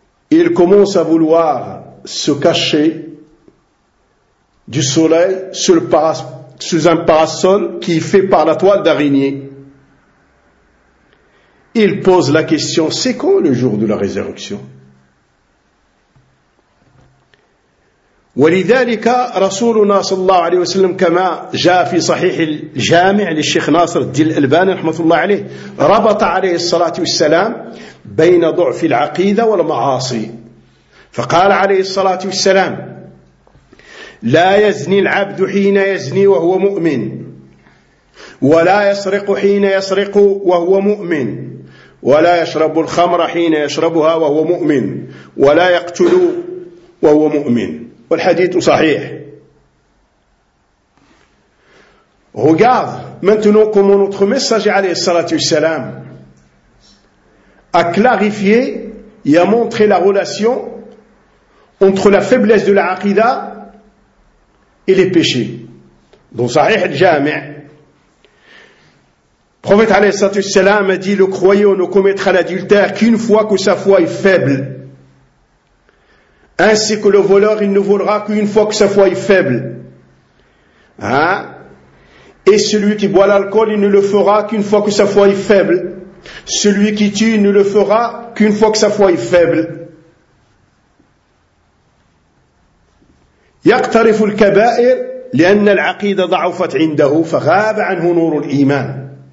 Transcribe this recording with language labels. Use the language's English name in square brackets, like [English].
[French] Il commence à vouloir se cacher du soleil sur le parasol, sous un parasol qui est fait par la toile d'araignée. Il pose la question, c'est quand le jour de la résurrection? [Arabic] ولذلك رسولنا صلى الله عليه وسلم كما جاء في صحيح الجامع للشيخ ناصر الدين الألباني رحمه الله عليه ربط عليه الصلاة والسلام بين ضعف العقيدة والمعاصي, فقال عليه الصلاة والسلام لا يزني العبد حين يزني وهو مؤمن, ولا يسرق حين يسرق وهو مؤمن, ولا يشرب الخمر حين يشربها وهو مؤمن, ولا يقتل وهو مؤمن. والحديث صحيح. [French] Regarde maintenant comment notre messager [Arabic] عليه الصلاة والسلام [French] a clarifié et a montré la relation entre la faiblesse de la aqida et les péchés. Dans Sahih al-Jami', le prophète a.s. a dit, le croyant ne commettra l'adultère qu'une fois que sa foi est faible. Ainsi que le voleur, il ne volera qu'une fois que sa foi est faible. Hein? Et celui qui boit l'alcool, il ne le fera qu'une fois que sa foi est faible. Celui qui tue, il ne le fera qu'une fois que sa foi est faible. [Arabic] يقترف الكبائر لأن العقيدة ضعفت عنده فغاب عنه نور الإيمان.